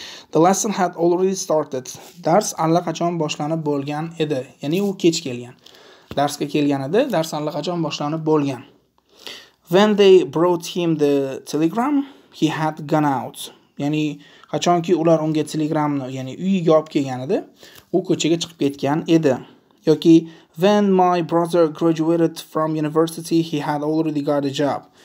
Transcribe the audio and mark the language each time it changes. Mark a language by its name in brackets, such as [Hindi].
[English] The lesson had already started. [Uzbek] Dars allaqachon boshlanib bo'lgan edi. Ya'ni u kech kelgan. Darsga kelgan edi, dars allaqachon boshlanib bo'lgan. [English] When they brought him the telegram, he had gone out. [Uzbek] Ya'ni qachonki ular unga telegramni, ya'ni uyiga olib kelgan edi, u ko'chaga chiqib ketgan edi. Yoki [English] when my brother graduated from university, he had already got a job.